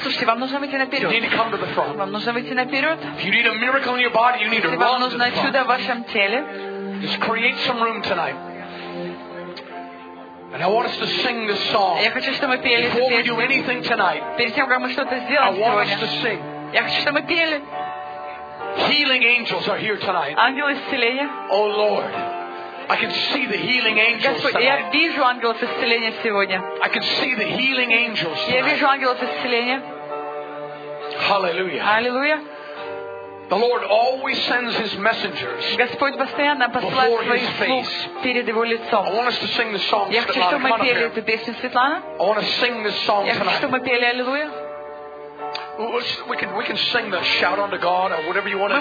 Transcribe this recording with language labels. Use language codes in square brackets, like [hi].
[ru] Слушайте, вам нужно выйти наперед. [en] You need to come to the front. [ru] Вам нужно выйти наперед. [en] If you need a miracle in your body, you need to run to the front. [ru] Если вам нужно чудо в вашем теле. [en] Just create some room tonight. And I want us to sing this song. [ru] Я хочу, чтобы мы пели. [en] Before we do anything tonight. [ru] Перед тем, как мы что-то сделаем сегодня. [en] I want us to sing. [ru] Я хочу, чтобы мы пели. [en] Healing angels are here tonight. [ru] Ангелы исцеления. [en] Oh Lord. I can see the healing angels tonight. [ru] Я вижу ангелов исцеления сегодня. [en] I can see the healing angels tonight. [ru] Я вижу ангелов исцеления. [en] Hallelujah. Hallelujah. The Lord always sends His messengers. [ru] Господь постоянно посылает своих слуг перед Его лицом. [en] I want us to sing this song. [ru] Я хочу, чтобы мы пели эту песню, Светлана. [en] I want to sing this song tonight. [ru] Я хочу, чтобы мы пели Аллилуйя. [en] We can sing the shout unto God or whatever you want to do.